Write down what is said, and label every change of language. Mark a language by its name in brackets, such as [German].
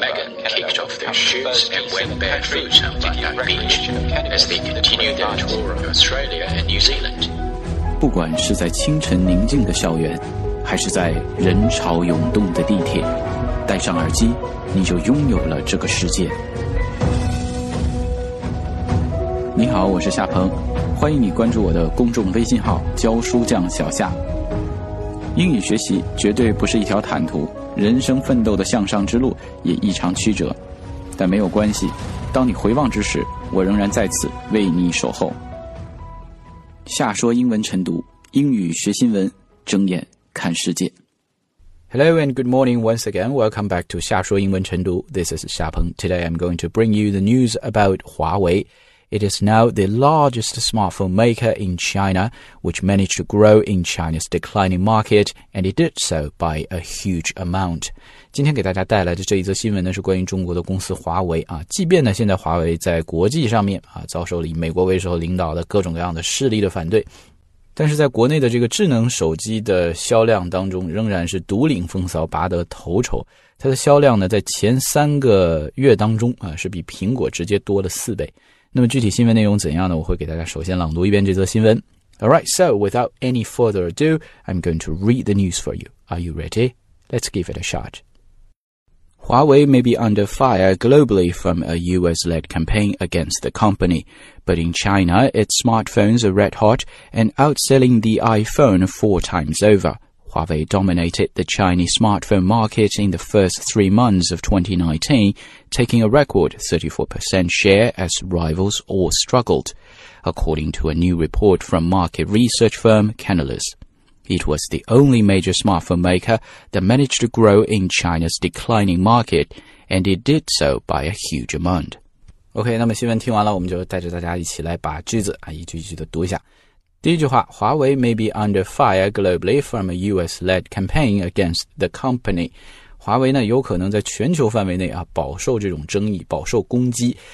[English] Megan kicked off their shoots and went barefoot on Bondi Beach as they continued their tour of Australia and New Zealand. [Chinese] 不管是在清晨宁静的校园，还是在人潮涌动的地铁，戴上耳机，你就拥有了这个世界。你好，我是夏鹏，欢迎你关注我的公众微信号教书匠小夏。英语学习绝对不是一条坦途，人生奋斗的向上之路也异常曲折，但没有关系，当你回望之时，我仍然在此为你守候。夏说英文晨读，英语学新闻，睁眼看世界。 [English] Hello and good morning once again. Welcome back to 夏说英文晨读。This is 夏鹏。 Today I'm going to bring you the news about Huawei. It is now the largest smartphone maker in China, which managed to grow in China's declining market, and it did so by a huge amount. [Chinese] 今天给大家带来的这一则新闻呢，是关于中国的公司华为啊。即便呢，现在华为在国际上面啊，遭受了以美国为首领导的各种各样的势力的反对。但是在国内的这个智能手机的销量当中，仍然是独领风骚，拔得头筹。它的销量呢，在前三个月当中啊，是比苹果直接多了四倍。那么具体新闻内容怎样呢？我会给大家首先朗读一遍这则新闻。 [English] Alright, so without any further ado, I'm going to read the news for you. Are you ready? Let's give it a shot. Huawei may be under fire globally from a US-led campaign against the company, but in China, its smartphones are red-hot and outselling the iPhone four times over. Huawei dominated the Chinese smartphone market in the first 3 months of 2019, taking a record 34% share as rivals all struggled, according to a new report from market research firm Canalys. It was the only major smartphone maker that managed to grow in China's declining market, and it did so by a huge amount. [Chinese] OK, 那么新闻听完了，我们就带着大家一起来把句子啊一句一句的读一下。 [English] 第一句话，华为 may be under fire globally from a US-led campaign against the company. [Chinese] 华为呢有可能在全球范围内啊饱受这种争议，饱受攻击。